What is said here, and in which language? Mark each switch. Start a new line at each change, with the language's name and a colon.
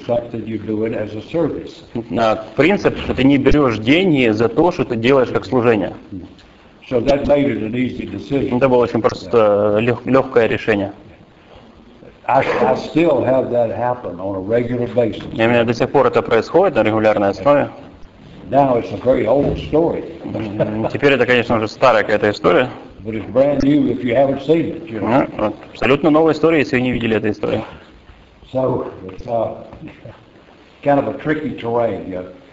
Russian: Принцип, что ты не берешь деньги за то, что ты делаешь как служение.
English: So that made it an easy decision.
Russian: Это было очень просто легкое решение.
English: I still have that happen on a regular basis.
Russian: И у меня до сих пор это происходит на регулярной основе.
English: Now it's a very old story.
Russian: Теперь это, конечно же, старая какая-то история.
English: But it's brand new if you haven't seen it. You know?
Russian: Абсолютно новая история, если вы не видели эту историю.
English: So it's kind of a tricky terrain, yeah.